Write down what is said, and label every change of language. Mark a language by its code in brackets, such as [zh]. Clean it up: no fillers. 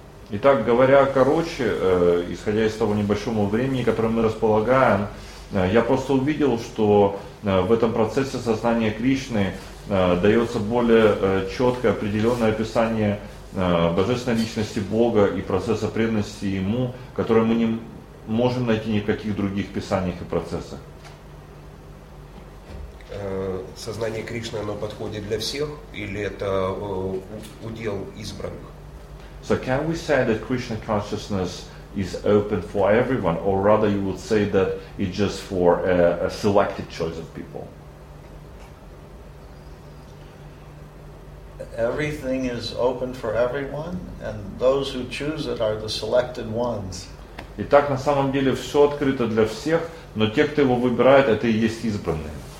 [ru] Итак, говоря короче, исходя из того небольшого времени, которое мы располагаем, я просто увидел, что в этом процессе сознания Кришны дается более четкое, определенное описание Божественной Личности Бога и процесса преданности Ему, которое мы не можем найти ни в каких других писаниях и процессах. Сознание Кришны, оно подходит для всех, или это удел избранных? [en] So can we say that Krishna consciousness is open for everyone, or rather you would say that it's just for a selected choice of people? Everything is open for everyone, and those who choose it are the selected ones. [ru] Итак, на самом деле все открыто для всех, но те, кто его выбирает, это и есть избранные.